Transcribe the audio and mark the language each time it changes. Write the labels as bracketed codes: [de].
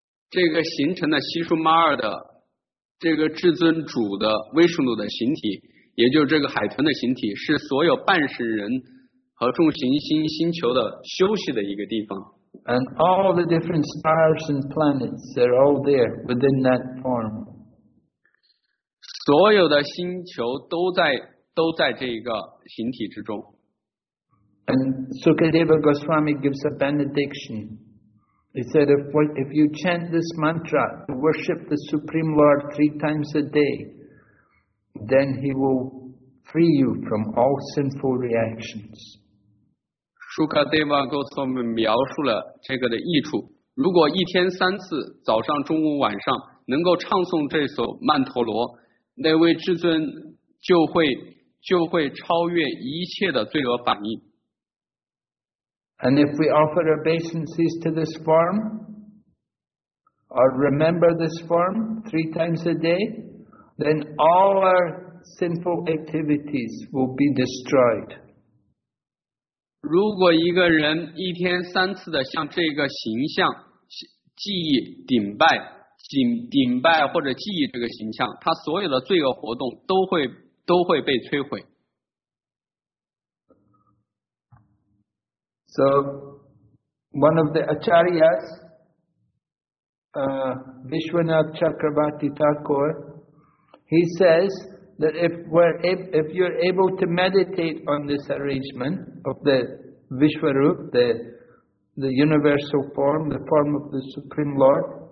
[zh] 这个形成的西舒玛尔的这个至尊主的威士努的形体，也就是这个海豚的形体，是所有半世人和众行星星球的休息的一个地方。 [en] And all the different stars and planets are all there within that form. 所有的星球都在这个形体之中。 And Sukadeva Goswami gives a benediction. He said, if you chant this mantra to worship the Supreme Lord three times a day, then he will free you from all sinful reactions. [zh] Shukadeva Goswami 描述了这个的益处。如果一天三次，早上、中午、晚上，能够唱诵这首曼陀罗，那位至尊就会超越一切的罪恶反应。 [en] And if we offer obeisances to this form, or remember this form three times a day, then all our sinful activities will be destroyed. [zh] 如果一个人一天三次的向这个形象记忆顶拜或者记忆这个形象，他所有的罪恶活动都会被摧毁。 [en] So, one of the Acharyas, Vishwanath Chakrabarti Thakur, he says that if you're able to meditate on this arrangement of the Vishwarup, the universal form, the form of the Supreme Lord.